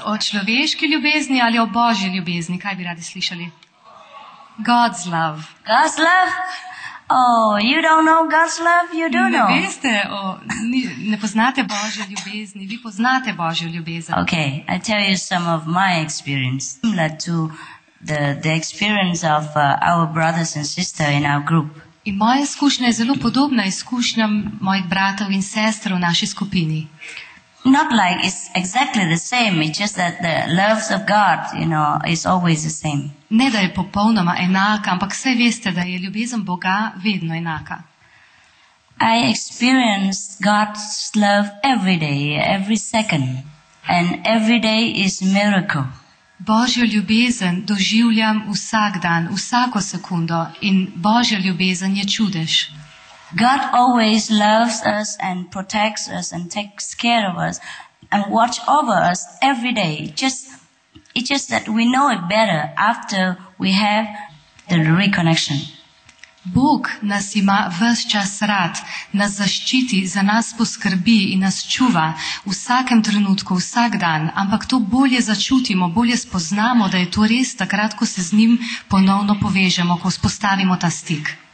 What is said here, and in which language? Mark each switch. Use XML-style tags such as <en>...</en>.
<sl>O človeški ljubezni ali o Božji ljubezni, kaj bi radi slišali?</sl> <en>God's love. God's love? Oh, you don't know God's love, you do know.</en> <sl>Ne veste, ne poznate Božje ljubezni, vi poznate Božjo ljubezen.</sl> <en>Okay, I tell you some of my experience, similar to the experience of our brothers and sisters in our group.</en> <sl>In moja izkušnja je zelo podobna izkušnjam mojih bratov in sester v naši skupini.</sl> <en>Not like it's exactly the same, it's just that the love of God, you know, is always the same.</en> <sl>Ne da je popolnoma enaka, ampak vse veste, da je ljubezen Boga vedno enaka.</sl> <en>I experience God's love every day, every second, and every day is miracle.</en> <sl>Božjo ljubezen doživljam vsak dan, vsako sekundo in Božja ljubezen je čudež.</sl> <en>God always loves us and protects us and takes care of us and watch over us every day. It's just that we know it better after we have the reconnection.</en> <sl>Bog nas ima ves čas rad, nas zaščiti, za nas poskrbi in nas čuva v vsakem trenutku, vsak dan, ampak to bolje začutimo, bolje spoznamo, da je to res takrat, ko se z njim ponovno povežemo, ko spostavimo ta stik.</sl>